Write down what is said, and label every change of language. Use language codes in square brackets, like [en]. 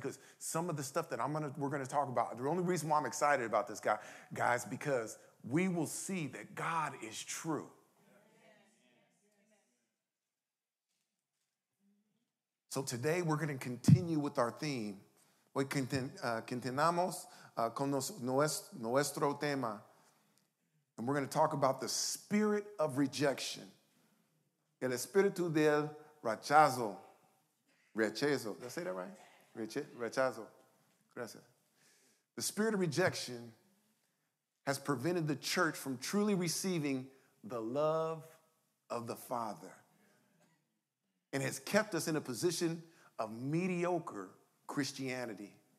[en] Because some of the stuff that we're going to talk about, the only reason why I'm excited about this, guys, because we will see that God is true. So today we're going to continue with our theme. [es] Hoy continuamos con nuestro tema. [en] And we're going to talk about the spirit of rejection. [es] El espíritu del rechazo. Rechazo. [en] Did I say that right? [es] Rechazo. Gracias. [en] The spirit of rejection has prevented the church from truly receiving the love of the Father. And has kept us in a position of mediocre Christianity.